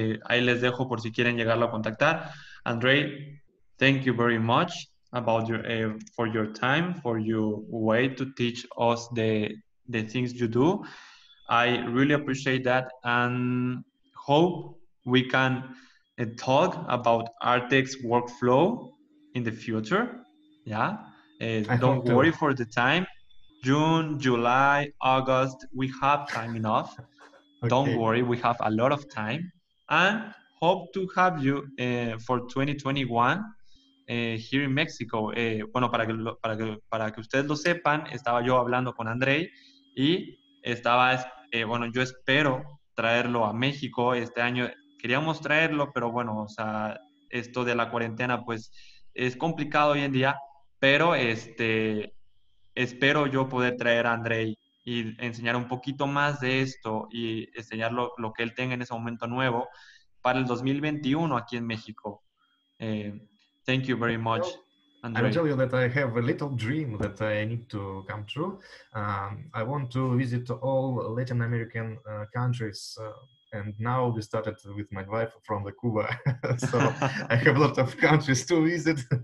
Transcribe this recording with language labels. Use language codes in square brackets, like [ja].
[es] Ahí les dejo por si quieren llegarlo a contactar. [en] André, thank you very much about your for your time, for your way to teach us the things you do. I really appreciate that and hope we can talk about Artex workflow in the future. Don't worry for the time. June, July, August, we have time enough. Okay. Don't worry, we have a lot of time. And hope to have you for 2021 here in Mexico. [es] Bueno, para que ustedes lo sepan, estaba yo hablando con Andrei y estaba, bueno, yo espero traerlo a México este año. Queríamos traerlo, pero bueno, o sea, esto de la cuarentena, pues, es complicado hoy en día, pero espero yo poder traer a Andrei y enseñar un poquito más de esto y enseñar lo que él tenga en ese momento nuevo para el 2021 aquí en México. [en] Thank you very much, Andrei. I'll tell you that I have a little dream that I need to come true. I want to visit all Latin American countries. And now we started with my wife from the Cuba, so I have a lot of countries to visit.